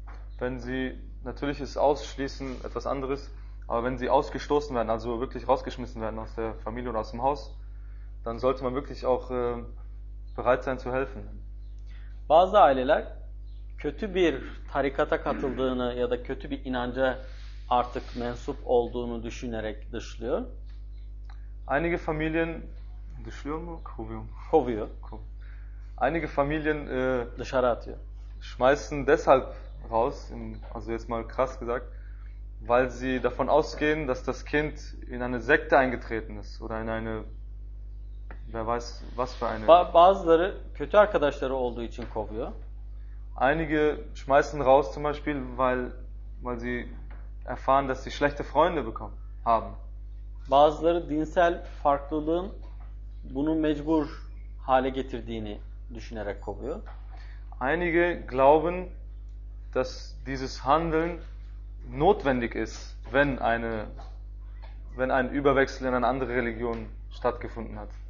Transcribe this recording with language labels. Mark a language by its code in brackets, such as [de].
[de] Wenn sie natürlich ist ausschließen etwas anderes, aber wenn sie ausgestoßen werden, also wirklich rausgeschmissen werden aus der Familie oder aus dem Haus, dann sollte man wirklich auch bereit sein zu helfen. [tr] Bazı aileler kötü bir tarikata katıldığını ya da kötü bir inanca artık mensup olduğunu düşünerek dışlıyor. [de] Einige Familien [tr] dışlıyor mu? Kovuyor mu? Kovuyor. [de] Einige Familien [tr] dışarı atıyor. [de] Schmeißen deshalb raus, also jetzt mal krass gesagt, weil sie davon ausgehen, dass das Kind in eine Sekte eingetreten ist oder in eine, wer weiß was für eine. [tr] Bazıları kötü arkadaşları olduğu için kovuyor. [de] Einige schmeißen raus zum Beispiel, weil sie erfahren, dass sie schlechte Freunde bekommen haben. [tr] Bazıları dinsel farklılığın bunu mecbur hale getirdiğini düşünerek kovuyor. [de] Einige glauben, dass dieses Handeln notwendig ist, wenn ein Überwechsel in eine andere Religion stattgefunden hat.